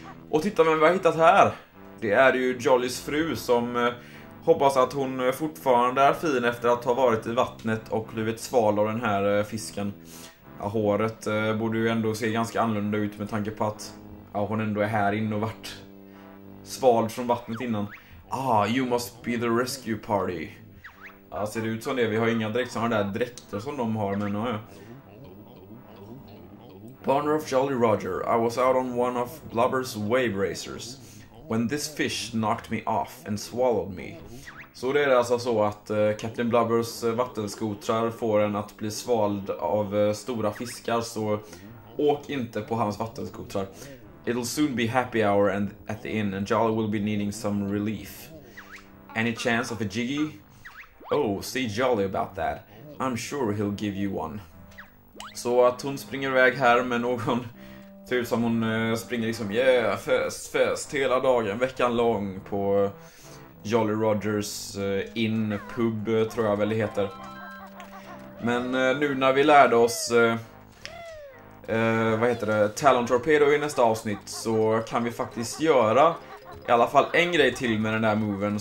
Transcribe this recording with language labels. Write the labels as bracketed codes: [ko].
[sv] Och titta vem vi har hittat här. Det är ju Jollys fru som hoppas att hon fortfarande är fin efter att ha varit i vattnet och blivit sval av den här fisken. Ja, håret borde ju ändå se ganska annorlunda ut med tanke på att ja, hon ändå är här inne och varit svald från vattnet innan. [en] Ah, you must be the rescue party. [sv] Ja, ser det ut som det. Vi har inga direkt sådana där dräkter som de har, men ja. [en] Partner of Jolly Roger, I was out on one of Blubber's wave racers when this fish knocked me off and swallowed me. [sv] Så det är alltså så att Captain Blubber's vattenskotrar får en att bli svald av stora fiskar, så åk inte på hans vattenskotrar. [en] It'll soon be happy hour and at the inn and Jolly will be needing some relief. Any chance of a jiggy? Oh, see Jolly about that. I'm sure he'll give you one. [sv] Så att hon springer iväg här med någon typ som hon springer liksom, yeah, fest, fest, hela dagen, veckan lång på Jolly Rogers Inn Pub, tror jag väl det heter. Men nu när vi lärde oss, vad heter det, Talon Torpedo i nästa avsnitt, så kan vi faktiskt göra i alla fall en grej till med den där moven.